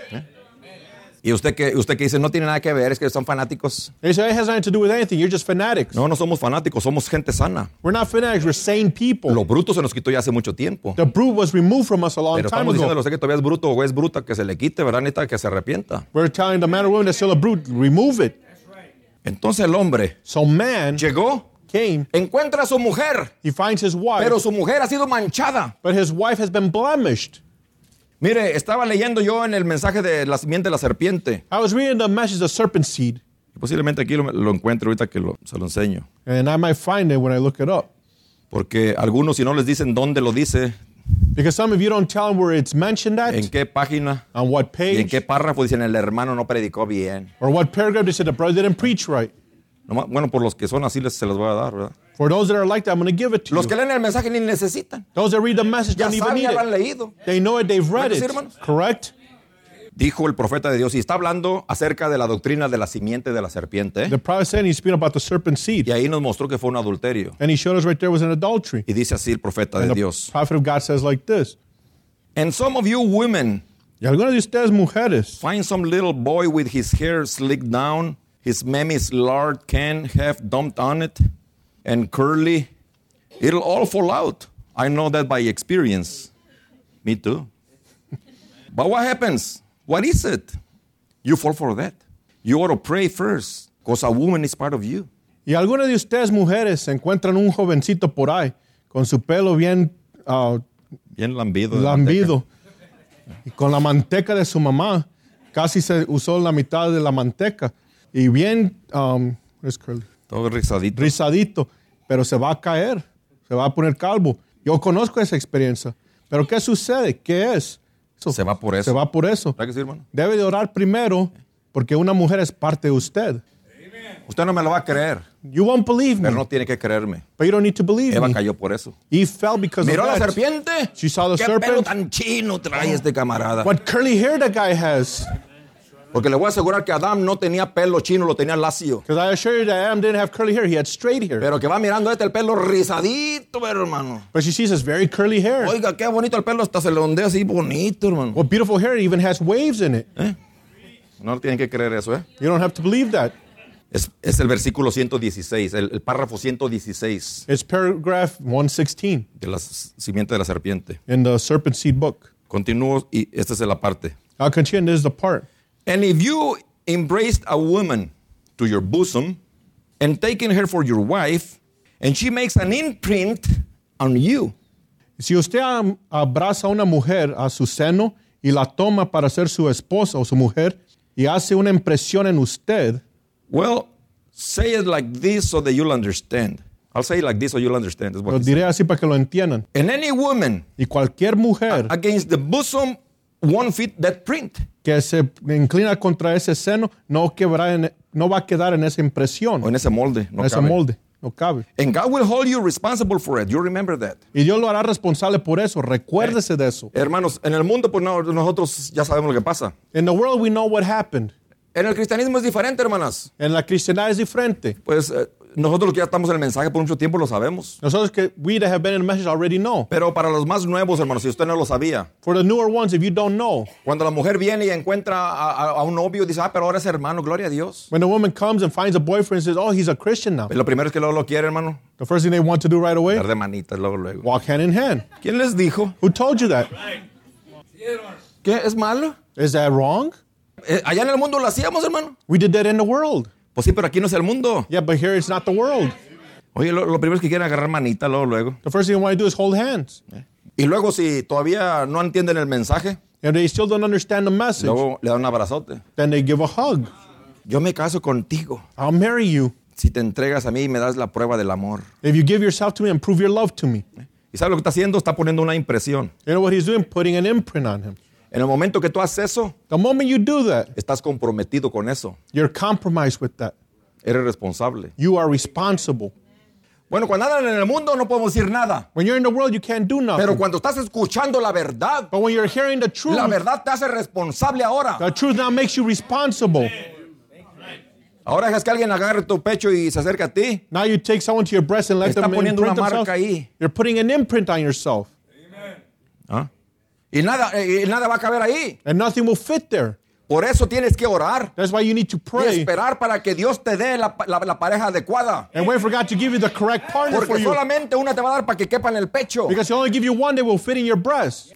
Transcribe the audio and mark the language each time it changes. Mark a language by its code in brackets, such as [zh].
[es] ¿Eh? Y usted que dice, no tiene nada que ver, es que son fanáticos. [en] They say, it has nothing to do with anything, you're just fanatics. [es] No, no somos fanáticos, somos gente sana. [en] We're not fanatics, we're sane people. [es] Lo bruto se nos quitó ya hace mucho tiempo. [en] The brute was removed from us a long time ago. [es] Pero estamos diciendo, usted que todavía es bruto o es bruta, que se le quite, ¿verdad? Necesita que se arrepienta. [en] We're telling the man or woman that's still a brute, remove it. [es] Entonces el hombre [en] so man [es] llegó, [en] came, [es] encuentra a su mujer, [en] he finds his wife, [es] pero su mujer ha sido manchada. [en] But his wife has been blemished. [es] Mire, estaba leyendo yo en el mensaje de la simiente de la serpiente. [en] I was reading the message of the serpent seed. [es] Y posiblemente aquí lo encuentre ahorita que se lo enseño. [en] And I might find it when I look it up. [es] Porque algunos si no les dicen dónde lo dice. [en] Because some of you don't tell them where it's mentioned at. [es] ¿En qué página? [en] On what page? [es] ¿Y en qué párrafo dicen el hermano no predicó bien? [en] Or what paragraph they said the brother didn't preach right. [es] No, bueno, por los que son así se los voy a dar, ¿verdad? [en] For those that are like that, I'm going to give it to [es] los [en] you. [es] Los que leen el mensaje ni necesitan. [en] Those that read the message [es] ya [en] don't even need [es] ya [en] it. [es] Han leído. [en] They know it, they've read [es] ¿no [en] it. [es] Sí, [en] correct? [es] Dijo el profeta de Dios y está hablando acerca de la doctrina de la simiente de la serpiente. [en] The prophet said he's speaking about the serpent seed. [es] Y ahí nos mostró que fue un adulterio. [en] And he showed us right there was an adultery. [es] Y dice así el profeta [en] and [es] de Dios. [en] The prophet of God says like this. And some of you women. [es] Y algunas de ustedes mujeres. [en] Find some little boy with his hair slicked down, his mammy's lard can half dumped on it, and curly. It'll all fall out. I know that by experience. Me too. But what happens? What is it? You fall for that. You ought to pray first, because a woman is part of you. [es] Y algunas de ustedes mujeres se encuentran un jovencito por ahí con su pelo bien bien lambido. Lambido. Y con la manteca de su mamá, casi se usó la mitad de la manteca y bien es curly. Todo rizadito. Rizadito, pero se va a caer, se va a poner calvo. Yo conozco esa experiencia. ¿Pero qué sucede? ¿Qué es? Se va por eso. Se va por eso. ¿Para qué sí, hermano? Debe de orar primero porque una mujer es parte de usted. Amen. Usted no me lo va a creer. [en] You won't believe me. [es] Pero no tiene que creerme. [en] But you don't need to believe [es] Eva [en] me. [es] Eva cayó por eso. [en] He fell because [es] miró [en] of [es] la serpiente. [en] She saw the [es] ¿qué [en] serpent. [es] Pelo tan chino trae este camarada? [en] What curly hair that guy has. [es] Porque le voy a asegurar que Adam no tenía pelo chino, lo tenía lacio. [en] Because I assure you that Adam didn't have curly hair, he had straight hair. [es] Pero que va mirando este el pelo rizadito, hermano. [en] But she sees his very curly hair. [es] Oiga, qué bonito el pelo, hasta se le ondea así bonito, hermano. [en] What beautiful hair, it even has waves in it. [es] ¿Eh? No tienen que creer eso, ¿eh? [en] You don't have to believe that. [es] Es el versículo 116, el párrafo 116. [en] It's paragraph 116. [es] De la simiente de la serpiente. [en] In the serpent seed book. [es] Continúo y esta es la parte. [en] I'll continue and this is the part. And if you embraced a woman to your bosom and taken her for your wife, and she makes an imprint on you. [es] Si usted abraza a una mujer a su seno y la toma para ser su esposa o su mujer y hace una impresión en usted. [en] Well, say it like this so that you'll understand. I'll say it like this so you'll understand. [es] Lo diré así para que lo entiendan. [en] And any woman [es] y cualquier mujer, [en] against the bosom won't fit that print. [es] Que se inclina contra ese seno, no va a quedar en esa impresión. O en ese molde. No en ese cabe. Molde. No cabe. [en] And God will hold you responsible for it. You remember that. [es] Y Dios lo hará responsable por eso. Recuérdese de eso. Hermanos, en el mundo, pues nosotros ya sabemos lo que pasa. [en] In the world, we know what happened. [es] En el cristianismo es diferente, hermanas. En la cristianidad es diferente. Pues nosotros los que ya estamos en el mensaje por mucho tiempo lo sabemos. Nosotros que [en] we that have been in the message already know. [es] Pero para los más nuevos, hermanos, si usted no lo sabía. [en] For the newer ones, if you don't know. [es] Cuando la mujer viene y encuentra a un novio, dice, ah, pero ahora es hermano, gloria a Dios. [en] When a woman comes and finds a boyfriend and says, oh, he's a Christian now. [es] Pero lo primero es que luego lo quiere, hermano. [en] The first thing they want to do right away. [es] Dar de manitas luego, luego. [en] Walk hand in hand. [es] ¿Quién les dijo? [en] Who told you that? [es] ¿Qué? ¿Es malo? [en] Is that wrong? [es] Allá en el mundo lo hacíamos, hermano. [en] We did that in the world. [es] Pues sí, pero aquí no es el mundo. [en] Yeah, but here it's not the world. [es] Oye, lo primero es que quieren agarrar manita, luego. [en] The first thing you want to do is hold hands. [es] Y luego si todavía no entienden el mensaje. [en] And they still don't understand the message. [es] Luego le dan un abrazote. [en] Then they give a hug. [es] Yo me caso contigo. [en] I'll marry you. [es] Si te entregas a mí y me das la prueba del amor. [en] If you give yourself to me and prove your love to me. [es] ¿Y sabes lo que está haciendo? Está poniendo una impresión. [en] You know what he's doing? Putting an imprint on him. [es] En el momento que tú haces eso, [en] the moment you do that, [es] estás comprometido con eso. [en] You're compromised with that. [es] Eres responsable. [en] You are responsible. [es] Bueno, cuando andan en el mundo no podemos decir nada. [en] When you're in the world you can't do nothing. [es] Pero cuando estás escuchando la verdad, [en] but when you're hearing the truth, [es] la verdad te hace responsable ahora. [en] The truth now makes you responsible. [es] Ahora dejas que alguien agarre tu pecho y se acerque a ti. [en] Now you take someone to your breast and let [es] está [en] them [es] imprint poniendo una marca [en] themselves. [es] Ahí. [en] You're putting an imprint on yourself. Amen. [es] ¿Ah? Y nada va a caber ahí. [en] And nothing will fit there. [es] Por eso tienes que orar. [en] That's why you need to pray. [es] Y esperar para que Dios te dé la pareja adecuada. [en] And wait for God to give you the correct partner. [es] Porque [en] for you. [es] Porque solamente una te va a dar para que quepa en el pecho. [en] Because he'll only give you one that will fit in your breast.